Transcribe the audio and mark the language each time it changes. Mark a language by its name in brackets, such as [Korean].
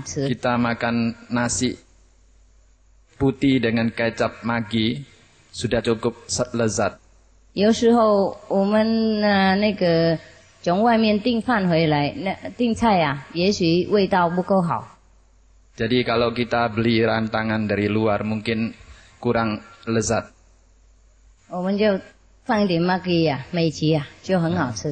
[Indonesian] Kita makan nasi putih dengan kecap Maggi sudah cukup lezat. [Chinese] 有时候我们那个从外面订饭回来，那订菜啊，也许味道不够好。 [Indonesian] Jadi kalau kita beli rantangan dari luar mungkin kurang lezat. [Chinese] 我们就放点 Maggi 啊，美琪啊，就很好吃。